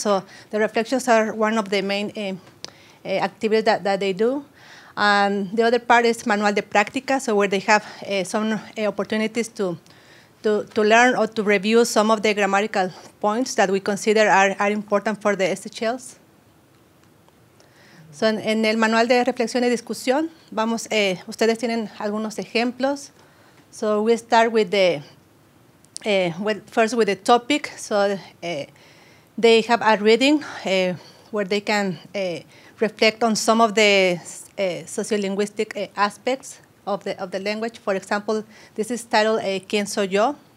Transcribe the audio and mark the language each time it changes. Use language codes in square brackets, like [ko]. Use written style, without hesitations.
[en] So the reflections are one of the main activities that they do. And the other part is Manual de Práctica, so where they have some opportunities to learn or to review some of the grammatical points that we consider are important for the SHLs. [es] So en el manual de reflexión y discusión, vamos, ustedes tienen algunos ejemplos. [en] So we start with the, first with the topic. So they have a reading where they can reflect on some of the sociolinguistic aspects of the language. For example, this is titled ¿Quién soy yo?